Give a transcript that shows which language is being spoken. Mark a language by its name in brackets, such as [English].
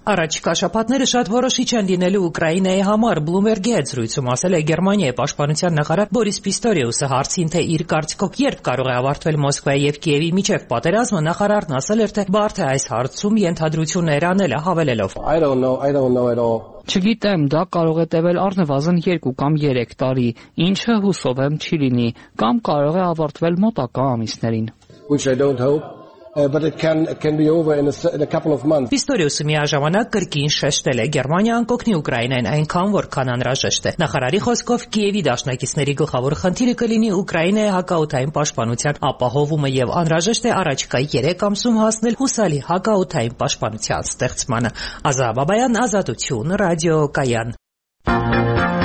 [Armenian] Առաջիկա շաբաթները շատ որոշիչ են լինելու Ուկրաինայի համար, Bloomberg-ի հետ զրույցում ասել է Գերմանիայի պաշտպանության նախարար Բորիս Պիստորիուսը, հարցին, թե իր կարծիքով երբ կարող է ավարտվել Մոսկվայի և Կիևի միջև պատերազմը, նախարարն ասել էր, թե բարդ է այս հարցում ենթադրություն ներանել, հավելելով. Չգիտեմ, դա կարող է տևել առնվազն 2 կամ 3 տարի, ինչը հուսով եմ չի լինի, կամ կարող է ավարտվել մոտակա ամիսներին։ [English] But it can be over in a couple of months. [Armenian] Pistorius-ը միաժամանակ կրկին շեշտել է Գերմանիան կօգնի Ուկրաինային այնքան, որքան անհրաժեշտ է։ Նախարարի խոսքով Կիևի դաշնակիցների գլխավոր խնդիրը կլինի Ուկրաինայի հակաօդային պաշտպանության ապահովումը եւ անհրաժեշտ է առաջկա 3 ամսում հասնել հուսալի հակաօդային պաշտպանության ստեղծմանը։ Ազա Բաբայան, Ազատություն, Ռադիո Կայան։